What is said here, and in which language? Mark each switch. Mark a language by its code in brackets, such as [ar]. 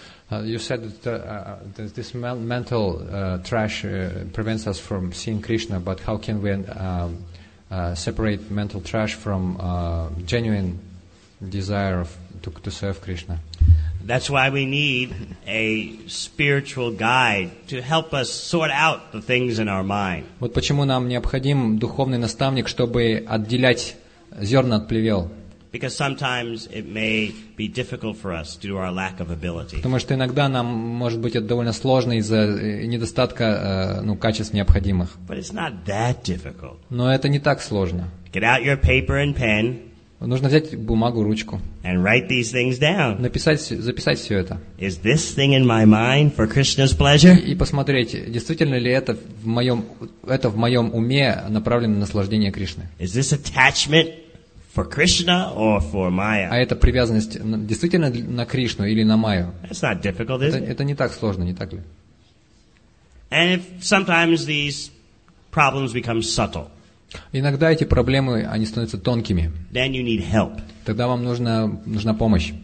[en] You said that this mental trash prevents us from seeing Krishna, but how can we separate mental trash from genuine desire to serve Krishna? That's why we need a spiritual guide to help us sort out the things in our mind. [ru] Вот почему нам необходим духовный наставник, чтобы отделять зерна от плевел. [en] Because sometimes it may be difficult for us due to our lack of ability. [ru] Потому что иногда нам может быть это довольно сложно из-за недостатка качеств необходимых. [en] But it's not that difficult. [ru] Но это не так сложно. [en] Get out your paper and pen. [ru] Нужно взять бумагу, ручку. [en] And write these things down. [ru] Написать, записать все это. [en] Is this thing in my mind for Krishna's pleasure? [ru] И посмотреть, действительно ли это в моем уме направлено на наслаждение Кришны. [en] Is this attachment for Krishna or for Maya? [ru] А это привязанность действительно на Кришну или на Майю? [en] It's not difficult, is it? [ru] Это не так сложно, не так ли? [en] And if sometimes these problems become subtle. [ru] Иногда эти проблемы они становятся тонкими. [en] Then you need help. [ru] Тогда вам нужна помощь.